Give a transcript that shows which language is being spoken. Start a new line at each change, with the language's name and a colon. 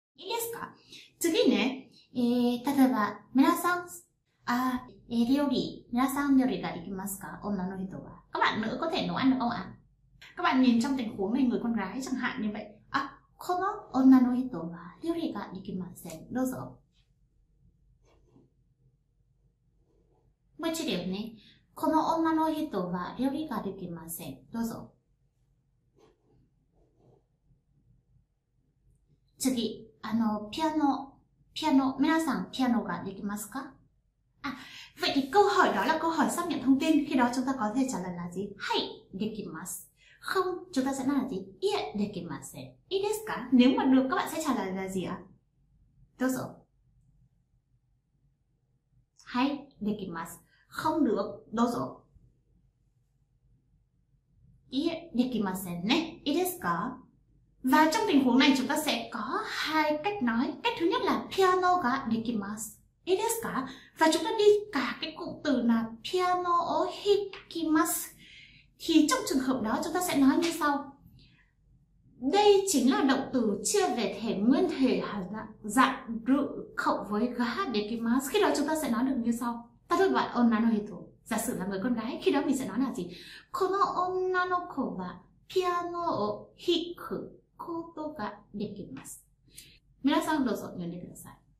Japanese: いいですか?次ね、例えば、皆さん、あ、料理、皆さん料理ができますか? 女の人は。
Vietnamese: các bạn nữ có thể nấu ăn được không ạ? các bạn nhìn trong tình huống này, người con gái chẳng hạn như vậy.
Japanese: あ、この女の人は料理ができません。どうぞ。もう一度ね。この女の人は料理ができません。どうぞ。次。ピアノ、皆さん、ピアノができますか?
Vietnamese: À, vậy thì câu hỏi đó là câu hỏi xác nhận thông tin. Khi đó chúng ta có thể trả lời là gì?
Japanese: はい、できます。
Vietnamese: Không, chúng ta sẽ nói là gì?
Japanese: いえ、できません。いいですか?
Vietnamese: Nếu mà được, các bạn sẽ trả lời là gì ạ? Dạ.
Japanese: はい、できます。
Vietnamese: Không được,
Japanese: どうぞ. いえ、できませんね。いいですか?
Vietnamese: Và trong tình huống này chúng ta sẽ có hai cách nói. Cách thứ nhất là
Japanese: piano ga dekimasu. Ii desu ka?
Vietnamese: Và chúng ta đi cả cái cụm từ là
Japanese: piano o hikimasu.
Vietnamese: Thì trong trường hợp đó chúng ta sẽ nói như sau. Đây chính là động từ chia về thể nguyên thể dạng ru cộng với
Japanese: ga dekimasu.
Vietnamese: Khi đó chúng ta sẽ nói được như sau. Ta thôi gọi onna no hito. Giả sử là người con gái, khi đó mình sẽ nói là gì?
Japanese: Kono onna no ko wa piano o hiku. ことができます。皆さんどうぞ読んでください。